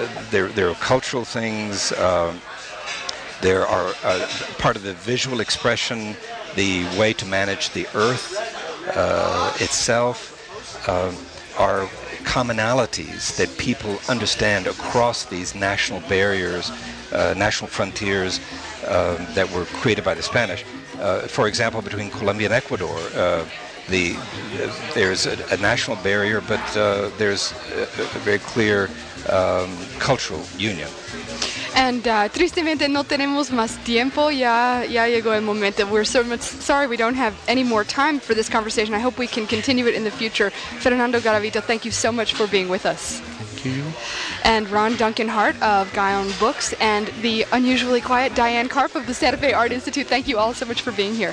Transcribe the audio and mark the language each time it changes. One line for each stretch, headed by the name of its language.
English: There are cultural things. There are part of the visual expression, the way to manage the earth itself, are commonalities that people understand across these national barriers, national frontiers that were created by the Spanish. For example, between Colombia and Ecuador, there's a national barrier, but there's a very clear cultural union.
Spanish: And tristemente no tenemos más tiempo, ya llegó el momento.
English: We're so much sorry we don't have any more time for this conversation. I hope we can continue it in the future. Fernando Garavito, thank you so much for being with us. Thank you. And Ron Duncan Hart of Guyon Books and the unusually quiet Diane Karp of the Santa Fe Art Institute, thank you all so much for being here.